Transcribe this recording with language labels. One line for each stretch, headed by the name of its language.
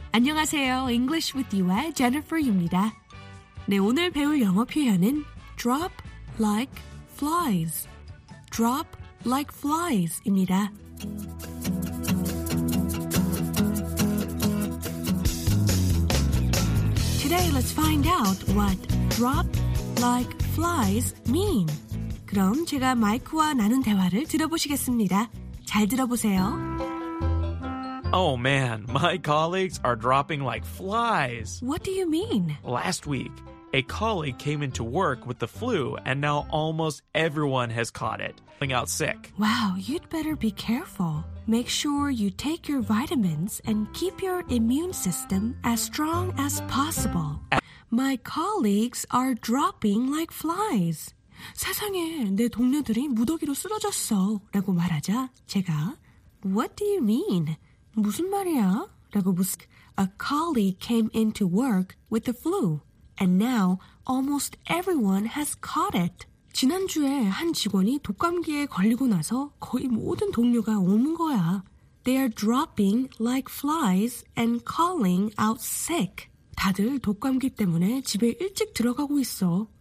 Korean: 안녕하세요, English with you의 Jennifer Yu입니다. 네, 오늘 배울 영어 표현은
English: drop like flies. Drop like flies입니다.
Korean: 오늘
English: let's find out what drop like flies mean.
Korean: 그럼 제가 마이크와 나눈 대화를 들어보시겠습니다. 잘 들어보세요.
English: Oh man, my colleagues are dropping like flies. What do you mean? Last week, a colleague came into work with the flu and now almost everyone has caught it, going out sick. Wow, you'd better be careful. Make sure you take your vitamins and keep your immune system as strong as possible. My colleagues are dropping like flies.
Korean: 세상에, 내 동료들이 무더기로 쓰러졌어. 라고 말하자 제가
English: What do you mean?
Korean: 무슨 말이야? 라고
English: A colleague came into work with the flu. And now almost everyone has caught it.
Korean: 지난주에 한 직원이 독감기에 걸리고 나서 거의 모든 동료가 옮은 거야.
English: They are dropping like flies and calling out sick.
Korean: 다들 독감기 때문에 집에 일찍 들어가고 있어.